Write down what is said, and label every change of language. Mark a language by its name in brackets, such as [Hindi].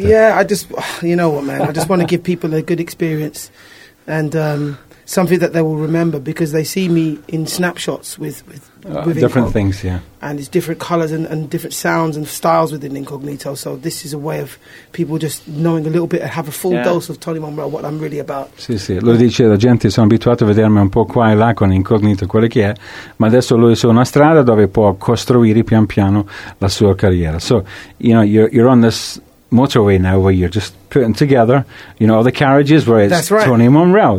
[English] Yeah, I just, you know what, man, I just want to give people a good experience. And something that they will remember, because they see me in snapshots with different things, yeah. And it's different colors and different sounds and styles within Incognito. So this is a way of people just knowing a little bit and have a full dose of Tony Monroe, what I'm really about. [Italian] Sì, sì. Lui dice, la gente sono abituato a vedermi un po' qua e là con Incognito, quello che è, ma adesso lui è su una strada dove può costruire pian piano la sua carriera. [English] So, you know, you're on this motorway now where you're just putting together, you know, all the carriages where it's Tony Monroe.